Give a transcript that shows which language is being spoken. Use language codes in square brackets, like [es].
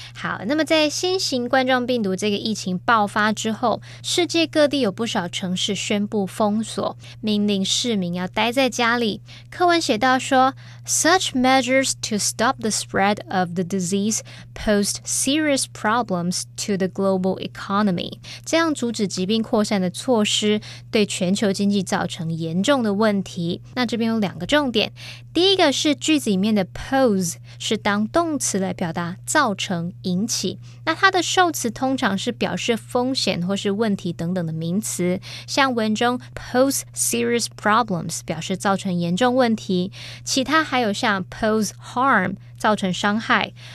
[zh] 好，那么在新型冠状病毒这个疫情爆发之后，世界各地有不少城市宣布封锁，命令市民要待在家里。课文写到说 [en] ，Such measures to stop the spread of the disease posed serious problems to the global economy。 [zh] 这样阻止疾病扩散的措施对全球经济造成严重的问题。那这边有两个重点，第一个是句子里面的 pose 是当动词来表达造成、引起，那它的受词通常是表示风险或是问题等等的名词，像文中 [en] pose serious problems [zh] 表示造成严重问题，其他还有像 [en] pose harm [zh] 造成伤害，